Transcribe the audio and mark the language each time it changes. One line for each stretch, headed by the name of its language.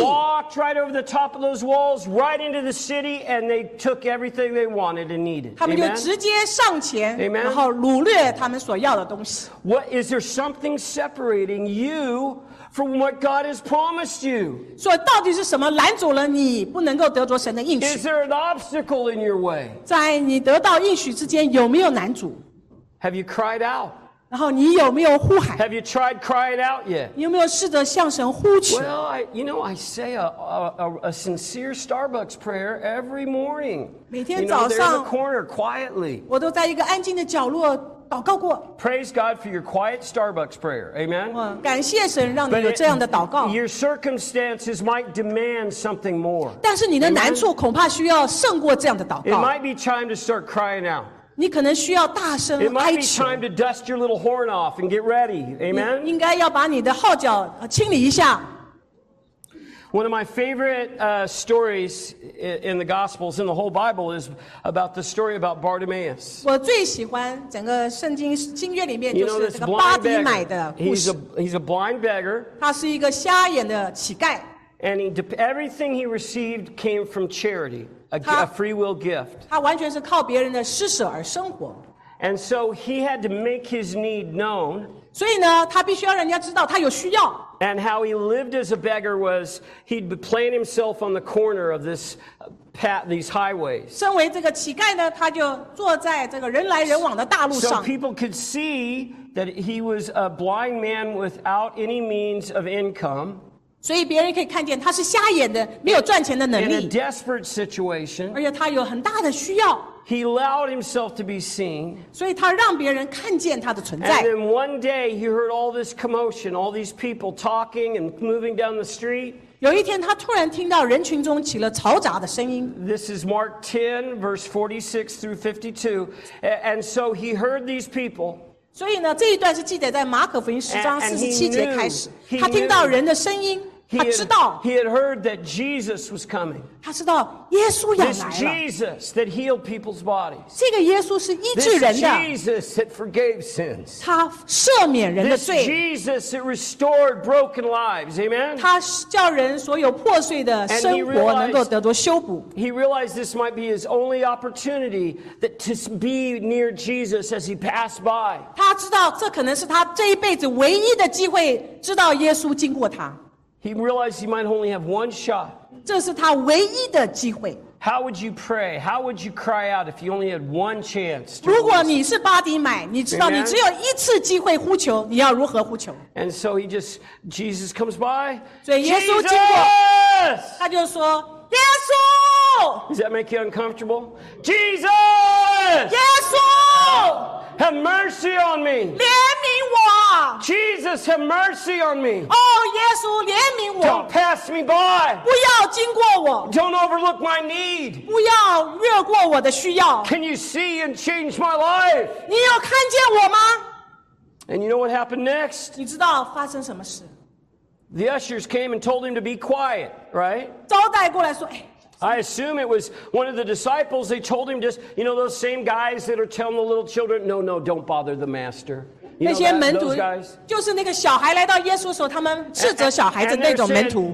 English: And they just walked right over the top of those walls, right into the city, and they took everything they wanted and needed.
Chinese: 他们就直接上前,
English: Amen?
Chinese: 然后掳掠他们所要的东西。
English: What, is there something separating you from what God has promised you?
Chinese: 所以到底是什么拦阻了你不能够得着神的应许?
English: Is there an obstacle in your way?
Chinese: 在你得到应许之间有没有拦阻?
English: Have you cried out?
Chinese: 然后你有没有呼喊?
English: Have you tried crying out yet?
Chinese: 你有没有试着向神呼求?
English: Well, I say a sincere Starbucks prayer every morning.
Chinese: 每天早上,
English: you know, there in the corner, quietly.
Chinese: 我都在一个安静的角落, 祷告过。
English: Praise God for your quiet Starbucks prayer. Amen.
Chinese: 感谢神让你有这样的祷告。
English: Your circumstances might demand something more.
Chinese: 但是你的难处恐怕需要胜过这样的祷告。
English: It might be time to start crying out.
Chinese: 你可能需要大声哀求。
English: It might be time to dust your little horn off and get ready. Amen.
Chinese: 应该要把你的号角清理一下。
English: One of my favorite stories in the Gospels, in the whole Bible, is about the story about Bartimaeus.
Chinese: 我最喜欢整个圣经经卷里面就是这个巴底买的故事。
English: He's a blind beggar.
Chinese: 他是一个瞎眼的乞丐。
English: And everything he received came from charity. A free will gift.
Chinese: 他完全是靠别人的施舍而生活。
English: And so he had to make his need known.
Chinese: 所以呢，他必须要人家知道他有需要。
English: And how he lived as a beggar was he'd plant himself on the corner of this path, these highways.
Chinese: 身为这个乞丐呢，他就坐在这个人来人往的大路上。
English: So people could see that he was a blind man without any means of income.
Chinese: 所以别人可以看见他是瞎眼的，没有赚钱的能力。
English: In a desperate situation,
Chinese: 而且他有很大的需要。
English: He allowed himself to be seen.
Chinese: 所以他让别人看见他的存在。
English: And then one day he heard all this commotion, all these people talking and moving down the street.
Chinese: 有一天他突然听到人群中起了嘈杂的声音。
English: This is Mark 10, verse 46 through 52. And so he heard these people.
Chinese: 所以呢，这一段是记载在马可福音十章四十七节开始。他听到人的声音，他知道。
English: He had heard that Jesus was coming.
Chinese: 他知道耶稣要来了。
English: This Jesus that healed people's bodies.
Chinese: 这个耶稣是医治人的。
English: This Jesus that forgave sins.
Chinese: 他赦免人的罪。
English: This Jesus that restored broken lives. Amen.
Chinese: 他叫人所有破碎的生活能够得着修补。
English: He realized this might be his only opportunity that to be near Jesus as he passed by.
Chinese: 他知道这可能是他这一辈子唯一的机会，知道耶稣经过他。
English: He realized he might only have one shot.
Chinese: 这是他唯一的机会。
English: How would you pray? How would you cry out if you only had one chance?
Chinese: 如果你是巴底买，你知道你只有一次机会呼求，你要如何呼求？
English: And so he just, Jesus comes by.
Chinese: 所以耶稣经过，
English: Jesus!
Chinese: 他就说，耶稣。
English: Does that make you uncomfortable? Jesus.
Chinese: 耶稣。
English: Have mercy on me.
Chinese: 怜悯我。
English: Jesus, have mercy on me.
Chinese: Oh, 耶稣怜悯我。
English: Don't pass me by.
Chinese: 不要经过我。
English: Don't overlook my need.
Chinese: 不要越过我的需要。
English: Can you see and change my life?
Chinese: 你有看见我吗？
English: And you know what happened next?
Chinese: 你知道发生什么事？
English: The ushers came and told him to be quiet, right?
Chinese: 招待过来说，哎。
English: I assume it was one of the disciples. They told him just, you know, those same guys that are telling the little children, no, no, don't bother the master. You know those guys?
Chinese: 就是那个小孩来到耶稣的时候，他们斥责小孩子那种门徒。